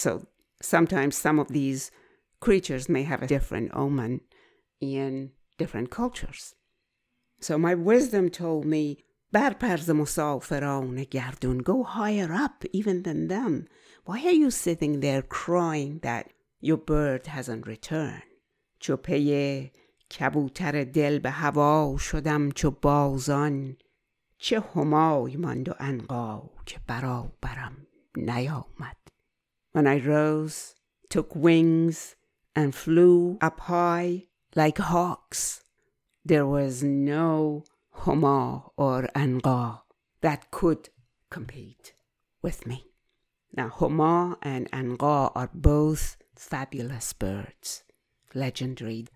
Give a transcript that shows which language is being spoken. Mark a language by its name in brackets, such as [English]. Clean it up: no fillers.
[English] So sometimes some of these creatures may have a different omen in different cultures. So my wisdom told me, [Persian] برپر ز مسافران گردون, [English] go higher up even than them. Why are you sitting there crying that your bird hasn't returned? [Persian] چو پی کبوتر دل به هوا شدم چو بازان, چه همای ماند و عنقا که برابرم نیامد. [English] When I rose, took wings and flew up high like hawks, there was no huma or anqa that could compete with me. Now, huma and anqa are both fabulous birds, legendary.